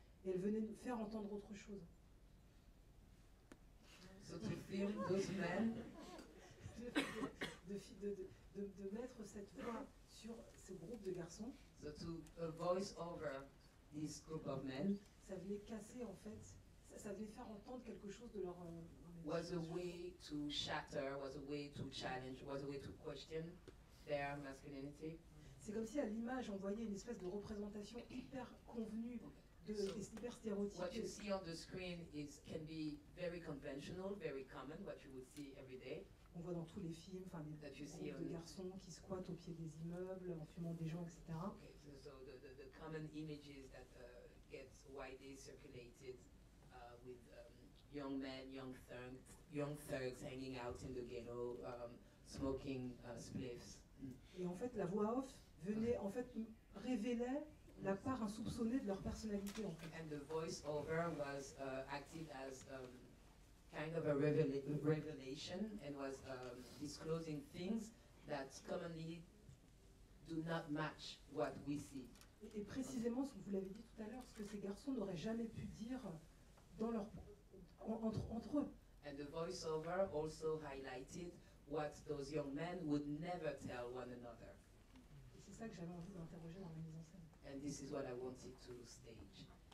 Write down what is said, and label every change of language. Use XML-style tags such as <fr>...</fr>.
<fr>Et elle venait nous faire entendre autre chose.</fr> <en>So to film those men.</en> <fr>De mettre cette voix sur ce groupe de garçons.</fr> <en>So to voice over this group of men.</en> <fr>Ça venait casser, en fait, ça venait faire entendre quelque chose de leur...</fr> <en>was a way to shatter, was a way to challenge, was a way to question their masculinity.</en> <fr>C'est comme si à l'image on voyait une espèce de représentation hyper convenue de hyper stéréotypée.</fr> <en>What you see on the screen can be very conventional, very common, what you would see every day.</en> <fr>On voit dans tous les films, enfin des groupes de garçons qui squattent au pied des immeubles en fumant des joints, etc.</fr> <en>Okay, so the common images that get widely circulated with young men, young thugs hanging out in the ghetto, smoking spliffs.</en> <fr>Et en fait, la voix off venait, en fait, révélait la part insoupçonnée de leur personnalité. En fait.</fr> <en>And the voiceover was acted as kind of a revelation and was disclosing things that commonly do not match what we see.</en> <fr>Et précisément, ce que vous l'avez dit tout à l'heure, ce que ces garçons n'auraient jamais pu dire dans leur entre eux.</fr> <en>And the voiceover also highlighted what those young men would never tell one another.</en> <fr>Et c'est ça que j'avais envie d'interroger dans ma mise en scène.</fr> <en>And this is what I wanted to stage.</en>